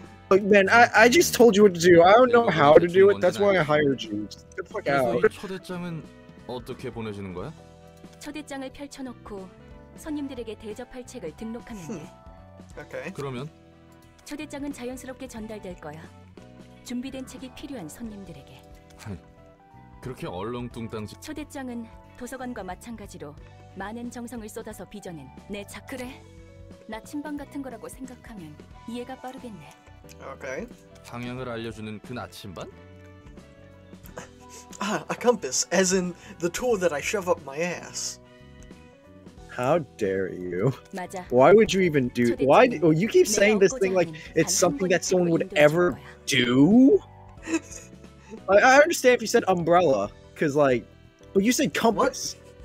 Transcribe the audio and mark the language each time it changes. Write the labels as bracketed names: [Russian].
[English] Look, man, I just told you what to do. I don't know how to do it. That's why I hired you. Get the fuck out. [Korean] 초대장은 어떻게 보내주는 거야? 초대장을 펼쳐놓고 손님들에게 대접할 책을 등록하면 돼. [English] Okay. [Korean] 그러면 초대장은 자연스럽게 전달될 거야. 준비된 책이 필요한 손님들에게. 그렇게 얼렁뚱땅지. 초대장은 도서관과 마찬가지로 많은 정성을 쏟아서 빚어낸 내 작품. 그래. 나침반 같은 거라고 생각하면 이해가 빠르겠네. [English] Okay. [Korean] 방향을 알려주는 그 나침반? [English] A compass, as in the tool that I shove up my ass. How dare you? Why would you even do? Why? Oh, you keep saying this thing like it's something that someone would ever do. I understand if you said umbrella, cause like, but you said compass. What?